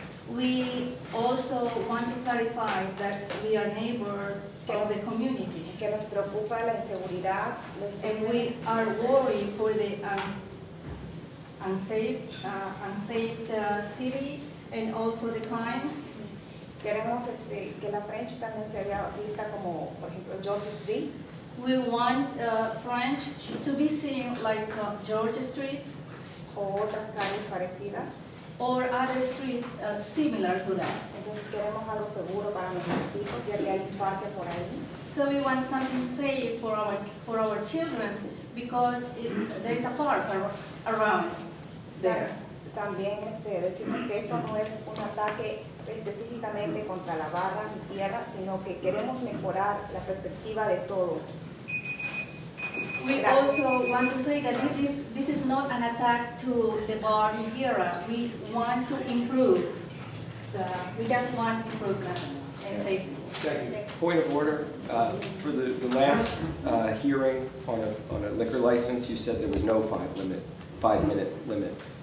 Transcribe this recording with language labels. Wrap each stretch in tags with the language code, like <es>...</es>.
<en>We also want to clarify that we are neighbors of the community.</en> <es>Que nos preocupa la inseguridad.</es> <en>And we are worried for the and save the city and also the crimes.</en> <es>Queremos que la French también sea vista como, por ejemplo, George Street.</es> <en>We want French to be seen like George Street.</en> <es>O otras calles parecidas.</es> <en>Or other streets similar to that.</en> <es>Entonces queremos algo seguro para nuestros hijos, ya que hay un parque por ahí.</es> <en>So we want something safe for our children because there's a park around there.</en> <es>También decimos que esto no es un ataque específicamente contra la barra ni tierra, sino que queremos mejorar la perspectiva de todo.</es> <en>We also want to say that this is not an attack to the bar in Tierra. We want to improve. We just want improvement and safety. Second. Point of order, for the last hearing on a liquor license, you said there was no five minute limit.</en>